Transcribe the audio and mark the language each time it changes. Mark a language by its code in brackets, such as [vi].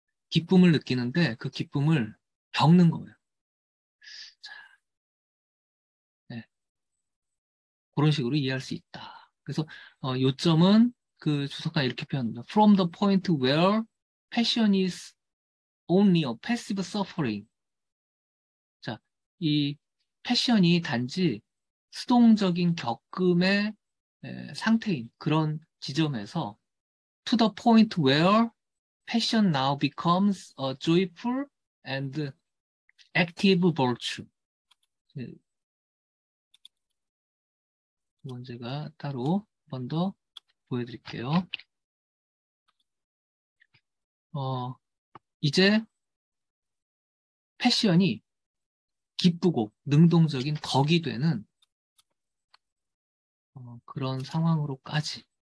[ko] 기쁨을 느끼는데 그 기쁨을 겪는 거예요. 그런 식으로 이해할 수 있다. 그래서 요점은 그 주석가 이렇게 표현합니다. [en] From the point where passion is only a passive suffering. [ko] 자, 이 패션이 단지 수동적인 격금의 상태인 그런 지점에서 [en] to the point where passion now becomes a joyful and active virtue. [ko] 문제가 따로 한번더 보여드릴게요. 이제 패션이 기쁘고 능동적인 덕이 되는 그런 상황으로까지